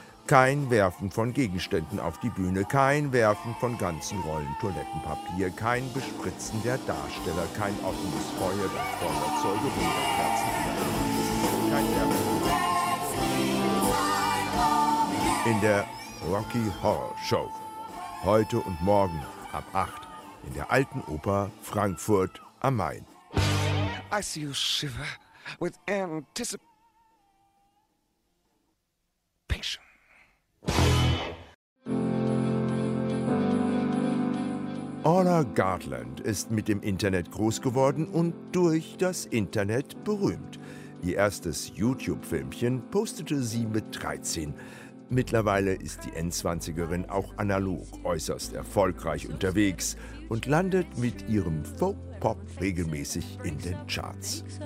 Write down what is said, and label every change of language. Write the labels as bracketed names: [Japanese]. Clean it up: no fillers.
[German] Kein Werfen von Gegenständen auf die Bühne, kein Werfen von ganzen Rollen Toilettenpapier, kein Bespritzen der Darsteller, kein offenes Feuer, das Feuerzeug und Kerzen. In der Rocky Horror Show. Heute und morgen ab 8 in der Alten Oper Frankfurt am Main. [English] I see you shiver with anticipation. [German] Orla Gartland ist mit dem Internet groß geworden und durch das Internet berühmt. Ihr erstes YouTube-Filmchen postete sie mit 13. Mittlerweile ist die N20erin auch analog äußerst erfolgreich unterwegs und landet mit ihrem Folk-Pop regelmäßig in den Charts.